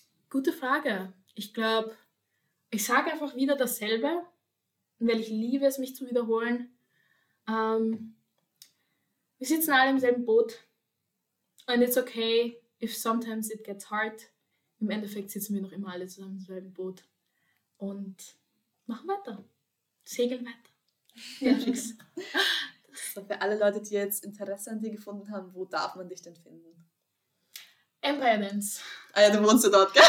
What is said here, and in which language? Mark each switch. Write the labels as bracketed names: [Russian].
[German] Gute Frage. Ich glaube, ich sage einfach wieder dasselbe, weil ich liebe es, mich zu wiederholen. Wir sitzen alle im selben Boot. [English] And it's okay, if sometimes it gets hard. [German] Im Endeffekt sitzen wir noch immer alle zusammen im selben Boot. Und machen weiter. Segeln weiter. Ja, für alle Leute, die jetzt Interesse an dir gefunden haben, wo darf man dich denn finden? Empire Dance. Ah ja, du wohnst ja dort, gell?